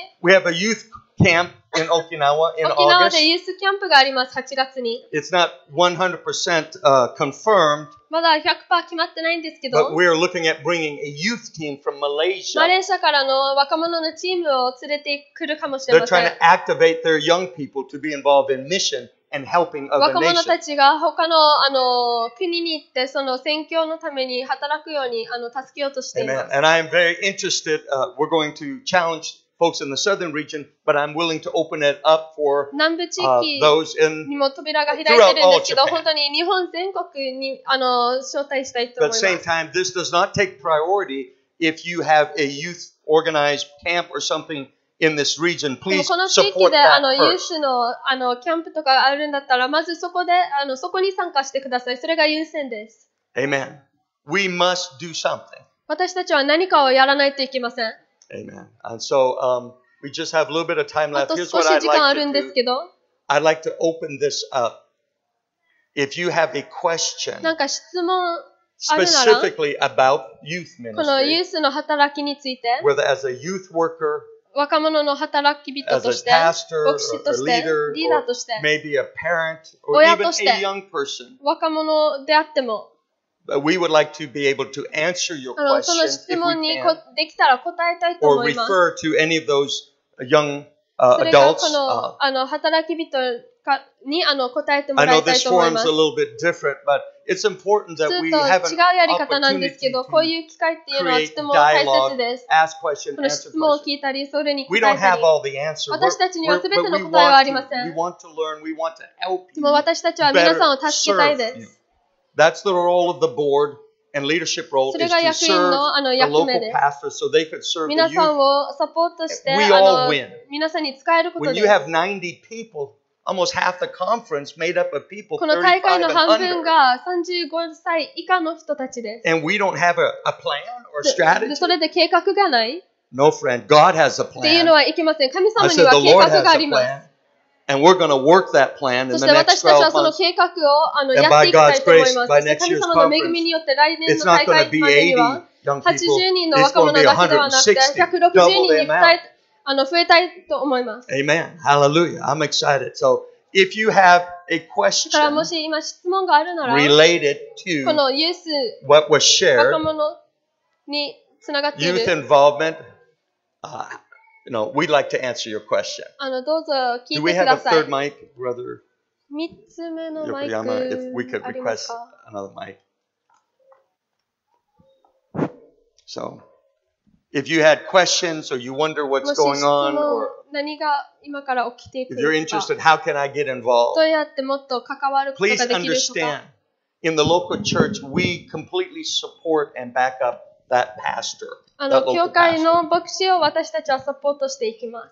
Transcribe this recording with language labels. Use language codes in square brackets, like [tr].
[en] We have a youth camp in Okinawa in August. It's not 100% confirmed. But we are looking at bringing a youth team from Malaysia. They're trying to activate their young people to be involved in mission and helping other nations. [ja] 若者たちが他の、あの、国に行ってその宣教のために働くように、あの、助けようとしています。 [en] Amen. And I am very interested, we're going to challenge folks in the southern region, but I'm willing to open it up for those in throughout all Japan. [ja] 本当に日本全国に、あの、招待したいと思います。 [en] But at the same time, this does not take priority if you have a youth organized camp or something in this region, please support that [ja] この地域で、あの、ユースの、あの、キャンプとかあるんだったら、まずそこで、あの、そこに参加してください。それが優先です。 [en] Amen. We must do something. [ja] 私たちは何かをやらないといけません。 [en] Amen. And so, we just have a little bit of time left. [ja] あと少し時間あるんですけど。 [en] Here's what I'd like to do. I'd like to open this up. If you have a question. [ja] なんか質問。 [en] Specifically about youth ministry. [ja] このユースの働きについて。 [en] Whether as a youth worker, [ja] 若者の働き人として、 [en] pastor, [ja] 牧師として、 [en] leader, [ja] リーダーとして、 [en] maybe a parent, [ja] 親として、 [en] a young person, [ja] 若者であっても、 [en] we would like to be able to answer your question if we can, [ja] その質問にできたら答えたいと思います。 [en] Or refer to any of those young adults, [ja] それがこの、あの、働き人にあの答えてもらいたいと思います。 [en] I know this forum's a little bit different, but it's important that we have an opportunity to create dialogue, ask questions, answer questions. We don't have all the answers, but we want to learn, we want to help you better serve you. That's the role of the board and leadership role is to serve the local pastors so they could serve the youth. We all win. When you have 90 people,Almost half the conference made up of people 35 and under. And we don't have a plan or strategy. [ja] それで計画がない? [en] No, friend. God has a plan. [ja] っていうのはいけません。神様には計画があります。 [en] I said the Lord has a plan. And we're going to work that plan in the next 12 months. [ja] そして私たちはその計画をあの、 [en] and by God's grace, by next year's conference, it's not going to be 80 young people. It's going to be 160, double the amount. [ja] あの、増えたいと思います。 [en] Amen. Hallelujah. I'm excited. So, if you have a question [ja] だからもし今質問があるなら [en] related to [ja] このユース [en] what was shared, [ja] 若者につながっている [en] youth involvement, you know, we'd like to answer your question. [ja] あの、どうぞ聞いてください。 [en] Do we have a third mic, brother? [ja] 三つ目のマイクありますか? [en] If we could request another mic. So,If you had questions or you wonder what's going on or if you're interested, how can I get involved? Please understand, in the local church, we completely support and back up that pastor, that local pastor.